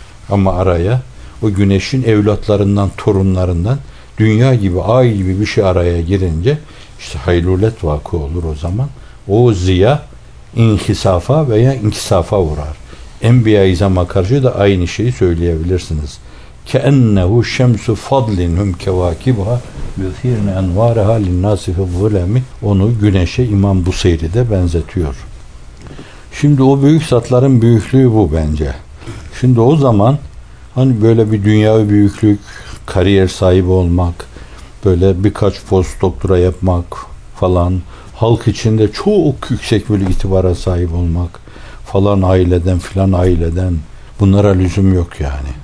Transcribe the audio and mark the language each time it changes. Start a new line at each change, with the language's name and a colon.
Turkish: Ama araya o güneşin evlatlarından, torunlarından dünya gibi, ay gibi bir şey araya girince işte haylulet vakı olur o zaman. O ziya inhisafa veya inkisafa uğrar. Enbiya-i İzam'a karşı da aynı şeyi söyleyebilirsiniz.
Arabic: كَاَنَّهُ شَمْسُ فَضْلِنْهُمْ كَوَاكِبَا يُثِيرْنَ اَنْوَارِهَا لِلنَّاسِ فِي الظُّلَمِ
Turkish: Onu güneşe İmam Buseyri de benzetiyor. Şimdi o büyük zatların büyüklüğü bu bence. Şimdi o zaman hani böyle bir dünya büyüklük, kariyer sahibi olmak, böyle birkaç post doktora yapmak falan, halk içinde çok yüksek bir itibara sahip olmak, falan aileden filan aileden, bunlara lüzum yok yani.